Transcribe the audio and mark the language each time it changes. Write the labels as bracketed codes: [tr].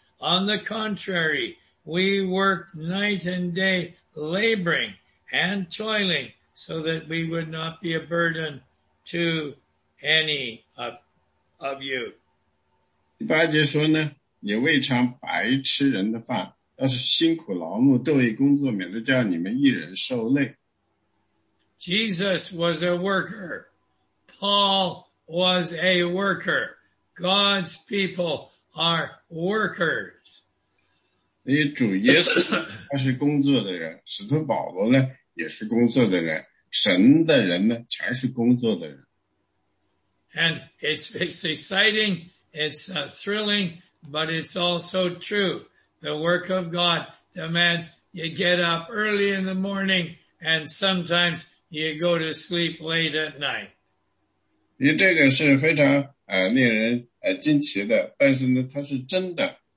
[en] On the contrary, we worked night and day laboring and toiling so that we would not be a burden to any of you. [zh] 第八节说呢,也未尝白吃人的饭,倒是辛苦劳碌,都为工作,免得叫你们一人受累。 [en] Jesus was a worker. Paul was a worker. God's people are workers. [zh] 主耶稣他是工作的人, 使徒保罗呢, 也是工作的人, 神的人呢, 全是工作的人。 [en] And it's exciting, it's thrilling, but it's also true. The work of God demands you get up early in the morning and sometimes you go to sleep late at night. [zh] 这个是非常令人惊奇的,但是呢,它是真的。